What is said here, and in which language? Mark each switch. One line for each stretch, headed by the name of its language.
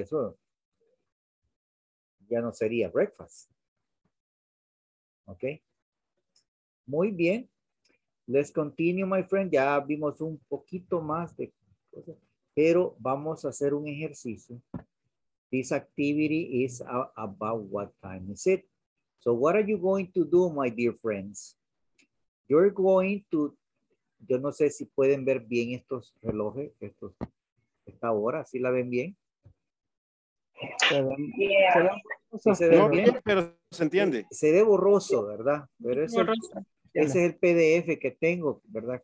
Spanish: Eso ya no sería breakfast. Ok. Muy bien.
English: Let's continue, my friend.
Spanish: Ya vimos un poquito más de cosas, pero vamos a hacer un ejercicio.
English: This activity is about what time is it? So what are you going to do, my dear friends? You're going to...
Spanish: Yo no sé si pueden ver bien estos relojes, esta hora, si ¿sí la ven bien? Se ve bien, pero se entiende. Se ve borroso, ¿verdad? Pero ese es el PDF que tengo, ¿verdad?